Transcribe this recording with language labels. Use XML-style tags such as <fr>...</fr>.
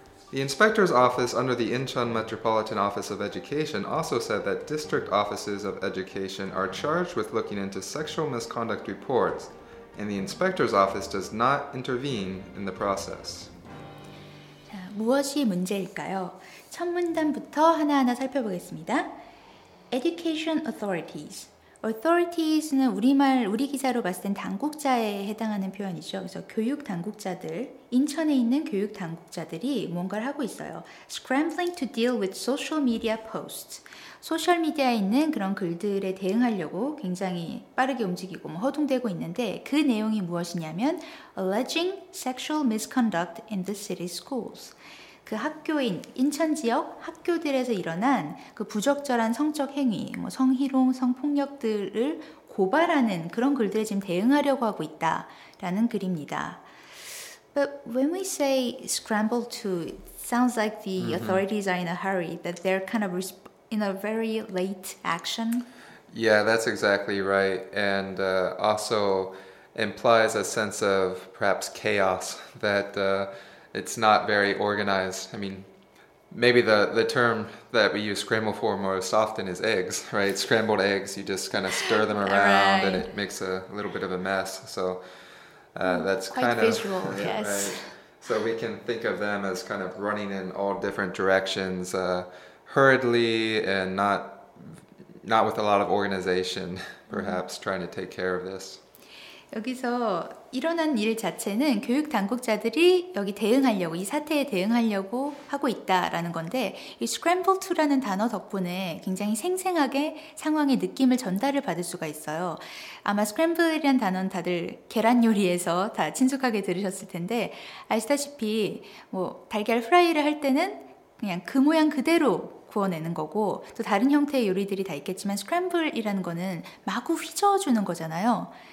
<en>The inspector's office under the Incheon Metropolitan Office of Education also said that district offices of education are charged with looking into sexual misconduct reports, and the inspector's office does not intervene in the process.</en> <ko>무엇이 문제일까요? 첫 문단부터 하나하나 살펴보겠습니다.</ko> <en>Education authorities.</en> <ko>Authorities는 우리말, 우리 기사로 봤을 땐 당국자에 해당하는 표현이죠. 그래서 교육 당국자들, 인천에 있는 교육 당국자들이 뭔가를 하고 있어요.</ko> <en>Scrambling to deal with social media posts.</en> <ko>소셜미디어에 있는 그런 글들에 대응하려고 굉장히 빠르게 움직이고 뭐 허둥대고 있는데 그 내용이 무엇이냐면</ko> <en>Alleging sexual misconduct in the city schools.</en> <ko>그 학교인, 인천 지역 학교들에서 일어난 그 부적절한 성적 행위, 뭐 성희롱, 성폭력들을 고발하는 그런 글들에 지금 대응하려고 하고 있다라는 글입니다.</ko> <en>But when we say scramble to, it sounds like the authorities are in a hurry, that they're kind of in a very late action. Yeah, that's exactly right. And also implies a sense of perhaps chaos that it's not very organized. I mean, maybe the term that we use scramble for most often is eggs, right? Scrambled eggs, you just kind of stir them around and it makes a little bit of a mess. So That's quite kind visual, of, yes. Right? So we can think of them as kind of running in all different directions, hurriedly and not with a lot of organization, perhaps trying to take care of this.</en> <ko>여기서 일어난 일 자체는 교육 당국자들이 여기 대응하려고 이 사태에 대응하려고 하고 있다라는 건데 이 scramble to라는 단어 덕분에 굉장히 생생하게 상황의 느낌을 전달을 받을 수가 있어요. 아마 scramble이라는 단어는 다들 계란 요리에서 다 친숙하게 들으셨을 텐데 아시다시피 뭐 달걀 프라이를 할 때는 그냥 그 모양 그대로 구워내는 거고 또 다른 형태의 요리들이 다 있겠지만 scramble이라는 거는 마구 휘저어주는 거잖아요.</ko>